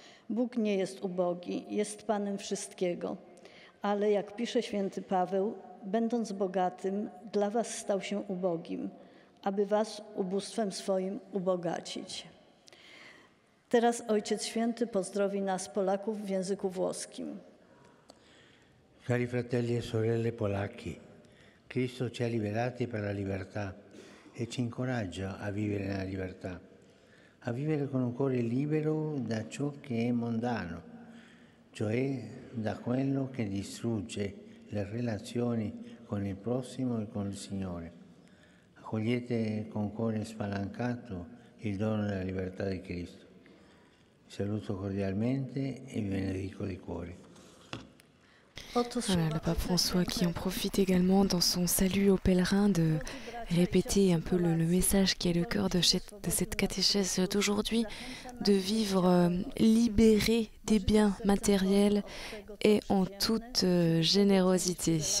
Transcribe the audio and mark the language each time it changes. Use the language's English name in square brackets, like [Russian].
[Polish] Bóg nie jest ubogi, jest Panem wszystkiego. Ale jak pisze święty Paweł, będąc bogatym, dla was stał się ubogim, aby was ubóstwem swoim ubogacić. Teraz Ojciec Święty pozdrowi nas, Polaków, w języku włoskim. [Italian] Cari fratelli e sorelle polacchi, Cristo ci ha liberati per la libertà e ci incoraggia a vivere nella libertà, a vivere con un cuore libero da ciò che è mondano, cioè da quello che distrugge le relazioni con il prossimo e con il Signore. Accogliete con cuore spalancato il dono della libertà di Cristo. Vi saluto cordialmente e vi benedico di cuore. [French] Voilà, le pape François qui en profite également dans son salut aux pèlerins de répéter un peu le message qui est le cœur de cette catéchèse d'aujourd'hui, de vivre libéré des biens matériels et en toute générosité.